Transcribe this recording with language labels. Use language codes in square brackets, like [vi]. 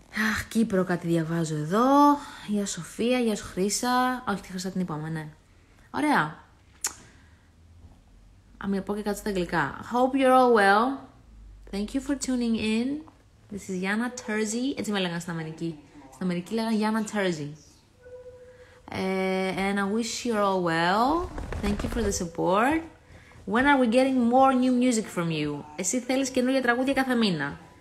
[el] Αχ, Κύπρο κάτι διαβάζω εδώ. Γεια Σοφία, γεια σου Χρύσα. Όχι, τη Χρύσα την είπαμε, ναι. Ωραία. Α, μην πω και κάτω στα αγγλικά. [en] Hope you're all well. Thank you for tuning in. This is [el] Yana Terzi. Έτσι με έλεγαν στην Αμερική. Στην Αμερική λέγαν Yana Terzi. [en] And I wish you're all well. Thank you for the support. When are we getting more new music from you? [el] Εσύ θέλεις καινούργια τραγούδια κάθε μήνα.